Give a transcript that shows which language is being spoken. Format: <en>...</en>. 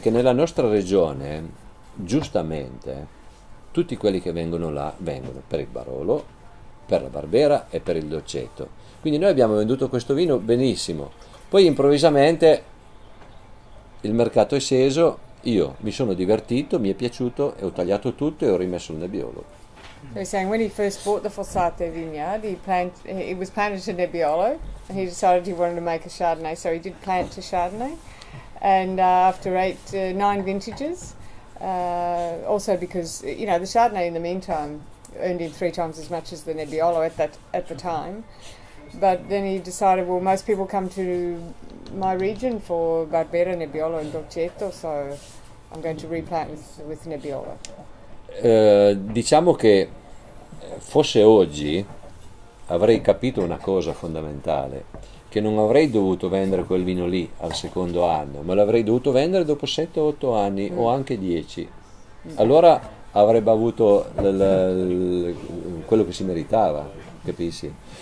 <it>Che nella nostra regione, giustamente, tutti quelli che vengono là vengono per il Barolo, per la Barbera e per il Doceto. Quindi noi abbiamo venduto questo vino benissimo. Poi improvvisamente il mercato è sceso, io mi sono divertito, mi è piaciuto e ho tagliato tutto e ho rimesso il nebbiolo.</it> <en>So he's saying when he first bought the Fossate vineyard, it was planted to Nebbiolo, and he decided he wanted to make a Chardonnay, so he did plant to Chardonnay. And after 8, 9 vintages, also because, you know, the Chardonnay in the meantime earned him 3 times as much as the Nebbiolo at the time. But then he decided, well, most people come to my region for Barbera, Nebbiolo and Dolcetto, so I'm going to replant with Nebbiolo.</en> <it>Diciamo che fosse oggi avrei capito una cosa fondamentale, che non avrei dovuto vendere quel vino lì al secondo anno, ma l'avrei dovuto vendere dopo 7-8 anni o anche 10. Allora avrebbe avuto quello che si meritava, capisci?</it>